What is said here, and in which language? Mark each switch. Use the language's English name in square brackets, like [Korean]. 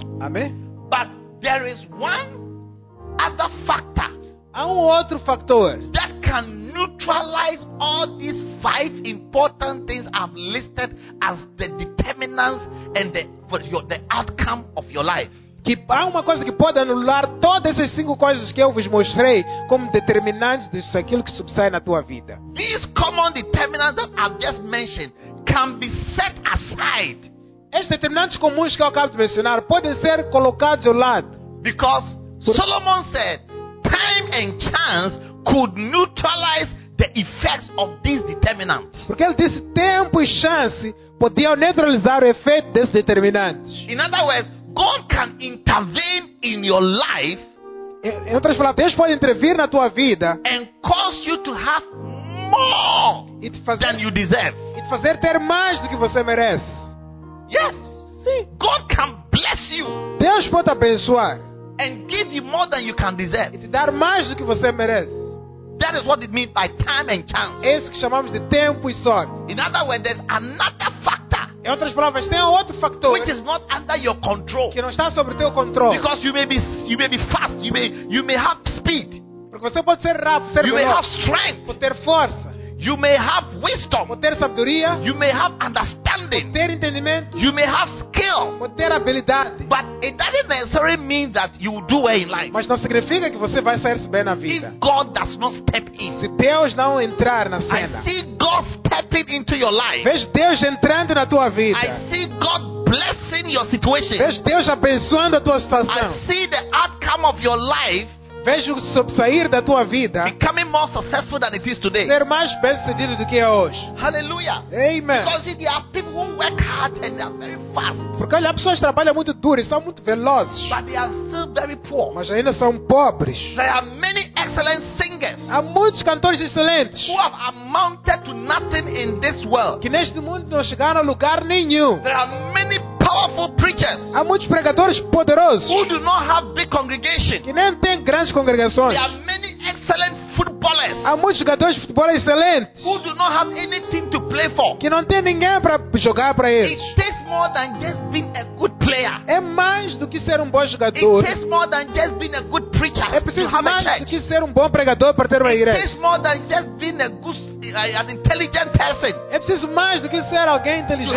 [Portuguese] Amém. [English] But there is one other factor. [Portuguese] Há outro fator [English] that can neutralize all these five important things I've listed as the determinants and the outcome of your life. [Portuguese] Que há uma coisa que pode anular todas essas cinco coisas que eu vos mostrei como determinantes disso, aquilo que subsai na tua vida. [English] These common determinants that I've just mentioned can be set aside. [Portuguese] Esses determinantes comuns que eu acabo de mencionar podem ser colocados ao lado. [English] Because Solomon said, time and chance could neutralize the effects of these determinants. [Portuguese] Porque ele disse, tempo e chance podiam neutralizar o efeito desses determinantes. [English] In other words, God can intervene in your life. [Portuguese] Em outras palavras, Deus pode intervir na tua vida. [English] And cause you to have more than you deserve. [Portuguese] E te fazer ter mais do que você merece. [English] Yes. [Portuguese] Sim. [English] God can bless you. [Portuguese] Deus pode abençoar. [English] And give you more than you can deserve. [Portuguese] E te dar mais do que você merece. [English] That is what it means by time and chance. [Portuguese] É isso que chamamos de tempo e sorte. [English] In other words, there's another factor. [Portuguese] Em outras palavras, tem outro fator. [English] Which is not under your control. [Portuguese] Que não está sob teu controle. [English] Because you may be fast, you may have speed. [Portuguese] Porque você pode ser rápido, ser veloz. [English] You may have strength. [Portuguese] Pode ter força. [English] You may have wisdom. [Portuguese] Pode ter sabedoria. [English] You may have understanding. [Portuguese] Pode ter entendimento. [English] You may have skill. [Portuguese] Pode ter habilidade. [English] But it doesn't necessarily mean that you will do well in life. [Portuguese] Mas não significa que você vai sair bem na vida. [English] If God does not step in. [Portuguese] Se Deus não entrar na cena. [English] I see God stepping into your life. [Portuguese] Vejo Deus entrando na tua vida. [English] I see God blessing your situation. [Portuguese] Vejo Deus abençoando a tua situação. [English] I see the outcome of your life. [Portuguese] Vejo sobressair da tua vida. [English] Becoming more successful than it is today. [Portuguese] Ser mais bem-sucedido do que é hoje. [English] Hallelujah. Amen. Because there are people who work hard and they are very fast. [Portuguese] Porque há pessoas que trabalham muito duro e são muito velozes. [English] But they are still very poor. [Portuguese] Mas ainda são pobres. [English] There are many excellent singers. [Portuguese] Há muitos cantores excelentes. [English] Who have amounted to nothing in this world. [Portuguese] Que neste mundo não chegaram a lugar nenhum. [English] There are many powerful preachers. [Portuguese] Há muitos pregadores poderosos. [English] Who do not have big congregation. [Portuguese] Que nem têm grandes congregações. [English] There are many excellent footballers. [Portuguese] Há muitos jogadores de futebol excelentes. [English] Who do not have anything to play for. [Portuguese] Que não têm ninguém para jogar para eles. [English] It takes more than just being a good player. [Portuguese] É mais do que ser bom jogador. [English] It takes more than just being a good preacher. [Portuguese] É preciso mais do que ser bom pregador para ter uma igreja. [English] It takes more than just being a good an intelligent person. [Portuguese] É preciso mais do que ser alguém inteligente.